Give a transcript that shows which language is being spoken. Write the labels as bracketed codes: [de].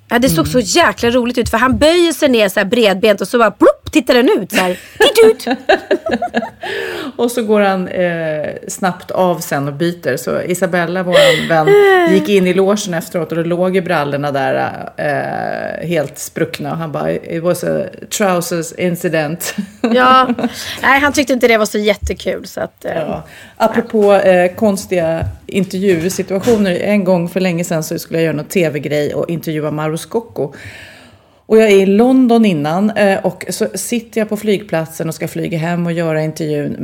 [sv] Ja, det såg så jäkla roligt ut, för han böjer sig ner så här bredbent och så bara plopp, tittar den ut så här. Titt ut! Och så går han snabbt av sen och byter. Så Isabella, vår vän, gick in i logen efteråt och då låg i brallorna där helt spruckna. Och han bara, [en] it was a trousers incident. [sv] Ja, nej, han tyckte inte det var så jättekul. Så att, ja. Apropå konstiga intervjusituationer. En gång för länge sedan så skulle jag göra något tv-grej och intervjua Maro Scocco. Och jag är i London innan och så sitter jag på flygplatsen och ska flyga hem och göra intervjun.